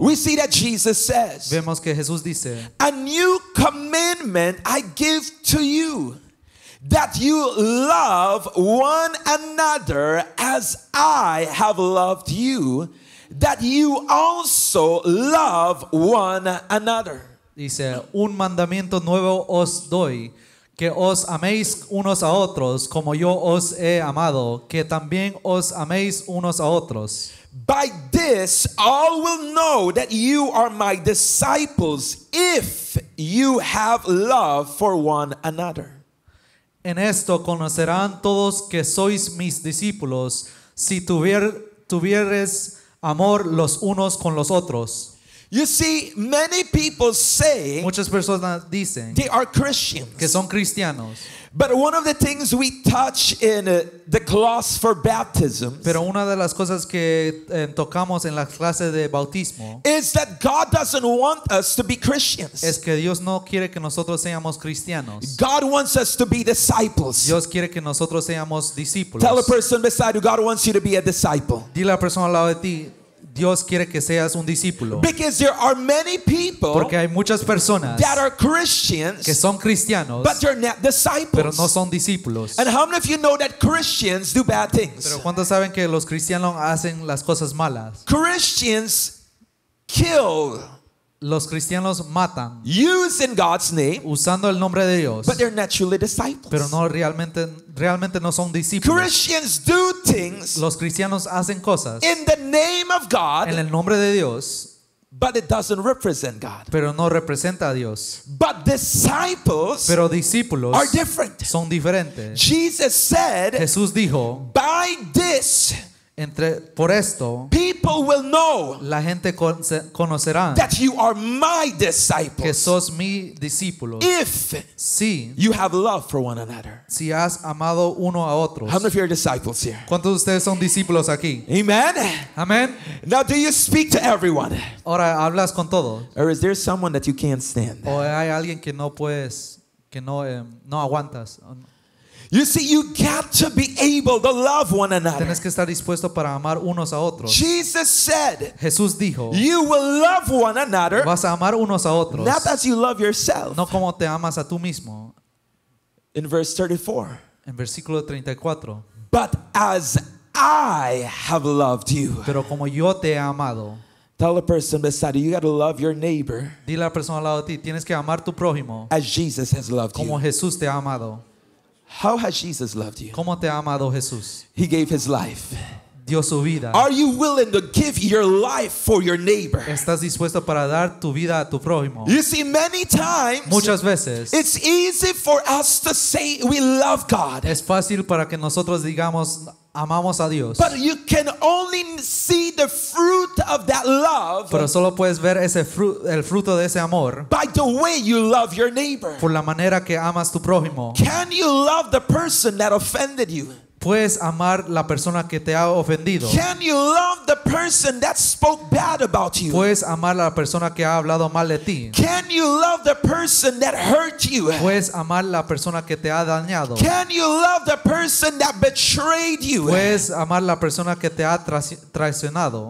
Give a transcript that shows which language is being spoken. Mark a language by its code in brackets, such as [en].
[en] We see that Jesus says, a new commandment I give to you, that you love one another as I have loved you, that you also love one another. [es] Dice, un mandamiento nuevo os doy. Que os améis unos a otros como yo os he amado, que también os améis unos a otros. [en] By this all will know that you are my disciples if you have love for one another. [es] En esto conocerán todos que sois mis discípulos si tuvieres amor los unos con los otros. [en] You see, many people say, [es] muchas personas dicen, [en] they are Christians, [es] que son cristianos. [en] But one of the things we touch in the class for baptism, [es] pero una de las cosas que tocamos en la clase de bautismo, [en] is that God doesn't want us to be Christians. [es] Es que Dios no quiere que nosotros seamos cristianos. [en] God wants us to be disciples. [es] Dios quiere que nosotros seamos discípulos. [en] Tell a person beside you, God wants you to be a disciple. [es] Dile a la persona al lado de ti, Dios quiere que seas un discípulo. [en] Because there are many people, [es] porque hay muchas personas [en] that are Christians, [es] que son cristianos, [en] but they're not disciples. [es] Pero no son discípulos. [en] And how many of you know that Christians do bad things? [es] Pero ¿cuántos saben que los cristianos hacen las cosas malas? [en] Christians kill. [es] Los cristianos matan. [en] Use in God's name, [es] usando el nombre de Dios. [en] But they're not truly disciples. [es] Pero no realmente, realmente no son discípulos. [en] Christians do things. [es] Los cristianos hacen cosas. [en] In the name of God. [es] En el nombre de Dios. [en] But it doesn't represent God. [es] Pero no representa a Dios. [en] But disciples. [es] Pero discípulos. [en] Are different. [es] Son diferentes. [en] Jesus said. [es] Jesús dijo. [en] By this. [es] Entre, por esto, [en] people will know, [es] la gente conocerá, [en] that you are my disciples, [es] que sos mi discípulo, [en] if [es] si, [en] you have love for one another. [es] Si has amado uno a otros. [en] How many of you are disciples here? [es] ¿Cuántos de ustedes son discípulos aquí? [en] Amen. [es] Amen. [en] Now, do you speak to everyone? [es] Ahora, ¿hablas con todos? [en] Or is there someone that you can't stand? [es] ¿O hay alguien que no puedes, que no, no aguantas? [en] You see, you got to be able to love one another. [es] Tienes que estar dispuesto para amar unos a otros. [en] Jesus said, [es] Jesús dijo, [en] you will love one another. [es] Vas a amar unos a otros. [en] Not as you love yourself. [es] No como te amas a tú mismo. [en] In verse 34. [es] En versículo 34. [en] But as I have loved you. [es] Pero como yo te he amado. [en] Tell the person beside you, you got to love your neighbor. [es] Dile a la persona al lado de ti, tienes que amar tu prójimo. [en] As Jesus has loved [es] como [en] you. [es] Como Jesús te ha amado. [en] How has Jesus loved you? [es] ¿Cómo te ha amado Jesús? [en] He gave his life. [es] Dio su vida. [en] Are you willing to give your life for your neighbor? [es] ¿Estás dispuesto para dar tu vida a tu prójimo? [en] You see, many times, [es] muchas veces, [en] it's easy for us to say we love God. [es] Es fácil para que nosotros digamos amamos a Dios. [en] But you can only see the fruit of that love. [es] Pero solo puedes ver ese el fruto de ese amor. [en] By the way you love your neighbor. [es] Por la manera que amas tu prójimo. [en] Can you love the person that offended you? [es] Puedes amar la persona que te ha ofendido. [en] Can you love the person that spoke bad about you? [es] Puedes amar a la persona que ha hablado mal de ti. [en] Can you love the person that hurt you? [es] Puedes amar la persona que te ha dañado. [en] Can you love the person that betrayed you? [es] Puedes amar la persona que te ha traicionado.